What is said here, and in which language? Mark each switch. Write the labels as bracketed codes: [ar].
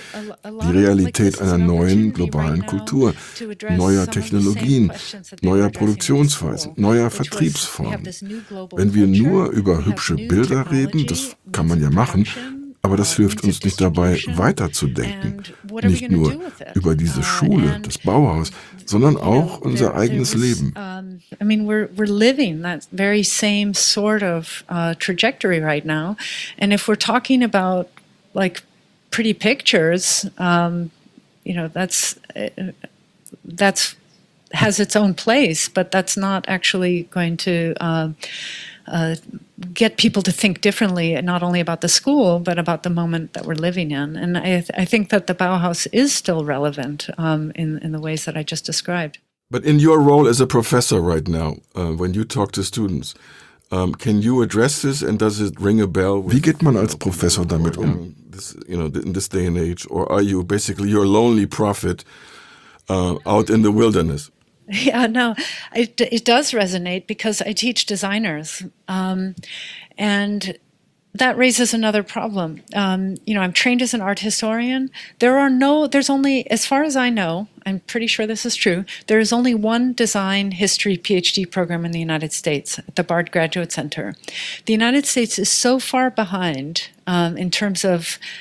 [de] Die Realität einer neuen globalen Kultur, neuer Technologien, neuer Produktionsweisen, neuer Vertriebsformen. Wenn wir nur über hübsche Bilder reden, das kann man ja machen, aber das hilft uns nicht dabei, weiterzudenken. Nicht nur über diese Schule, das Bauhaus, sondern auch unser eigenes Leben. [en] I mean, we're living that very same sort of trajectory right now. And if we're talking about, like, pretty pictures, that's has its own place, but that's not actually going to get people to think differently, not only about the school, but about the moment that we're living in. And I think that the Bauhaus is still relevant in the ways that I just described. But in your role as a professor right now, when you talk to students, can you address this and does it ring a bell? [de] Wie geht man als Professor damit um? [en] This, you know, in this day and age, or are you basically your lonely prophet out in the wilderness? Yeah, no, it does resonate because I teach designers, and that raises another problem. I'm trained as an art historian. There's only, as far as I know, I'm pretty sure this is true, there is only one design history PhD program in the United States, at the Bard Graduate Center. The United States is so far behind in terms of